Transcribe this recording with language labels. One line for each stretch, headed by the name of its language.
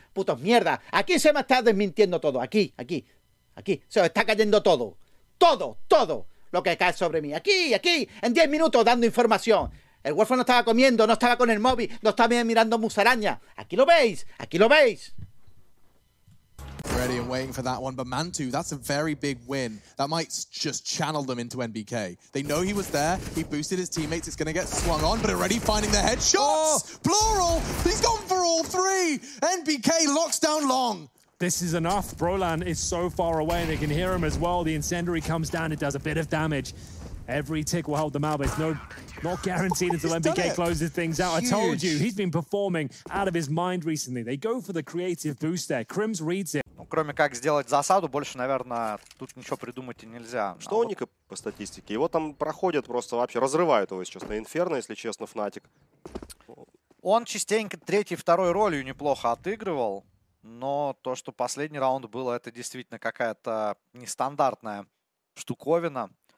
Spanish: Putos mierda. Aquí se me está desmintiendo todo. Aquí. Se os está cayendo todo. Todo lo que cae sobre mí. Aquí, en 10 minutos dando información. El Warfan no estaba comiendo, no estaba con el móvil, no estaba mirando musaraña. Aquí lo veis.
English: Ready and waiting for that one, but Mantu, that's a very big win. That might just channel them into NBK. They know he was there, he boosted his teammates, it's gonna get swung on, but already finding the headshots! Plural, he's gone for all three! NBK locks down long! This is enough, Brolan is so far away, they can hear him as well. The incendiary comes down, it does a bit of damage. Every tick will help them out, but it's not guaranteed until NBK closes things out. Huge. I told you, he's been performing out of his mind recently. They go for the creative boost there. Krims reads it.
French: Donc
Russian: кроме как сделать засаду, больше, наверное, тут ничего придумать и нельзя. Что а у вот... Ника по статистике? Его там проходят просто вообще, разрывают его сейчас на инферно, если честно, Фнатик. Он частенько третьей-второй ролью неплохо отыгрывал, но то, что последний раунд был, это действительно какая-то нестандартная штуковина.